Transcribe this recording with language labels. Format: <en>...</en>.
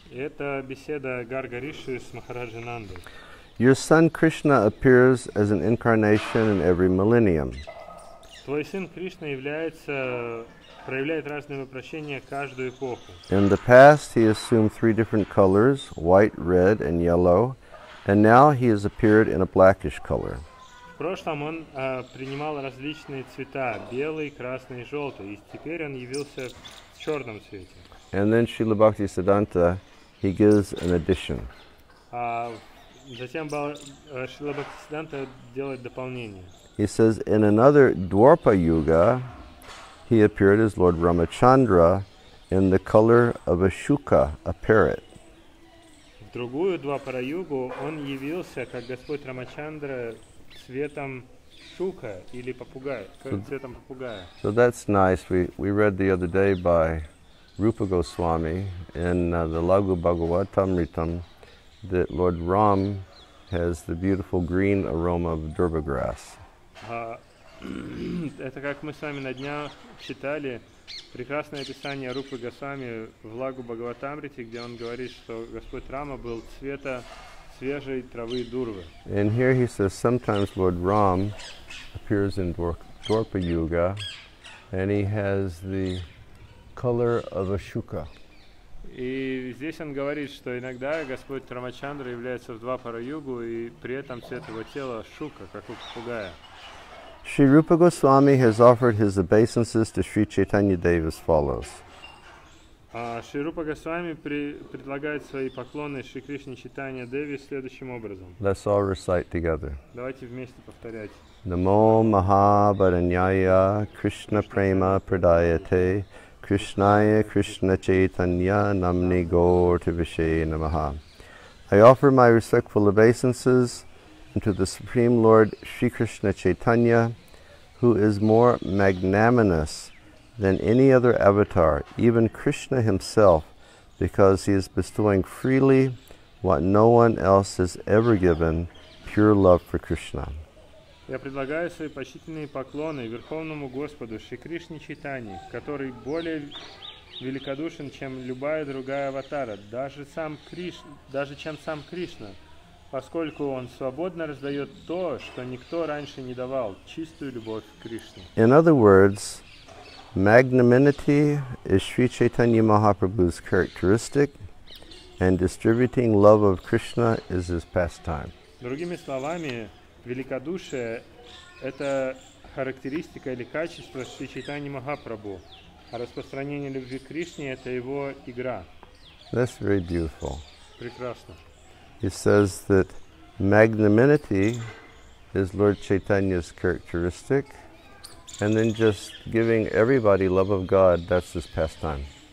<ru>Это беседа Гарга Риши с Махараджа Нандой.</ru> <en>Your son Krishna appears as an incarnation in every millennium.</en> <ru>Твой сын Кришна является, проявляет разные воплощения каждую эпоху.</ru> <en>In the past he assumed three different colors, white, red and yellow, and now he has appeared in a blackish color.</en> <ru>В прошлом он принимал различные цвета, белый, красный и желтый, и теперь он явился в черном цвете.</ru> <en>And then Srila Bhakti Siddhanta, he gives an addition.</en> <ru>Затем Шрила Бхактисиддханта делает дополнение.</ru> <en>He says, in another Dwarpa Yuga, he appeared as Lord Ramachandra in the color of a shuka, a parrot.</en> <ru>В другую Двапара Югу он явился как Господь Рамачандра цветом шука или попугая, цветом попугая.</ru> <en>So that's nice. We read the other day by Rupa Goswami in the Lagu Bhagavatamritam that Lord Ram has the beautiful green aroma of durva grass.</en> <ru>Это как мы с вами на днях читали прекрасное описание Рупы Госвами в Лагу Бхагаватамрите, где он говорит, что Господь Рама был цвета свежей травы дурвы.</ru> <en>And here he says sometimes Lord Ram appears in Dwarpa Yuga and he has the color of a shuka.</en> <ru>И здесь он говорит, что иногда Господь Рамачандра является в Двапара Югу, и при этом цвет его тела шука, как у попугая.</ru> <en>Shri Rupa Goswami has offered his obeisances to Sri Chaitanya Dev as follows.</en> <ru>Shri Rupa Goswami предлагает свои поклоны Шри Кришне Чайтанья Деви следующим образом.</ru> <en>Let's all recite together.</en> <ru>Давайте вместе повторять.</ru> <sa>Намо Маха Бараньяя Кришна Према Прадаяте Krishnaya Krishna Chaitanya Namni Gaur Tivishay Namaha.</sa> <en>I offer my respectful obeisances unto the Supreme Lord Sri Krishna Chaitanya, who is more magnanimous than any other avatar, even Krishna himself, because he is bestowing freely what no one else has ever given, pure love for Krishna.</en> <ru>Я предлагаю свои почтительные поклоны Верховному Господу Шри Кришне Чайтанье, который более великодушен, чем любая другая аватара, даже чем сам Кришна, поскольку он свободно раздает то, что никто раньше не давал, чистую любовь к Кришне.</ru> <en>In other words, magnanimity is Sri Chaitanya Mahaprabhu's characteristic, and distributing love of Krishna is his pastime.</en> <ru>Другими словами, великодушие — это характеристика или качество Шри Чайтаньи Махапрабху, а распространение любви к Кришне — это его игра.</ru> <en>That's very beautiful.</en> <ru>Прекрасно.</ru> <en>He says that magnanimity is Lord Chaitanya's characteristic, and then just giving everybody love of God, that's his pastime.</en>